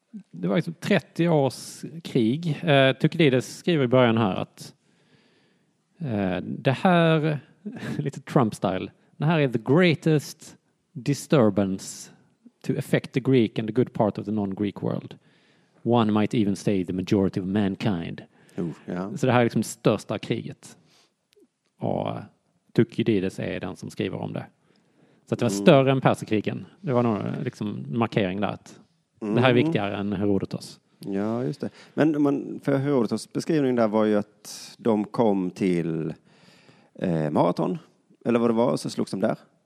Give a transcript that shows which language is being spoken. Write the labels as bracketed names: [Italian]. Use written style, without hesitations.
[Swedish] Det var liksom 30 års krig. Tukidides skriver i början här att det här, lite Trump-style, det här är [English] the greatest disturbance to affect the Greek and the good part of the non-Greek world. One might even say the majority of mankind. Yeah. [Swedish] Så det här är liksom det största kriget. Och Tukidides är den som skriver om det. Så att det var större än Perserkrigen. Det var någon liksom markering där att det här är viktigare än Herodotos. Ja, just det. Men för Herodotos beskrivning där var ju att de kom till Marathon, eller vad det var, och så slogs de där.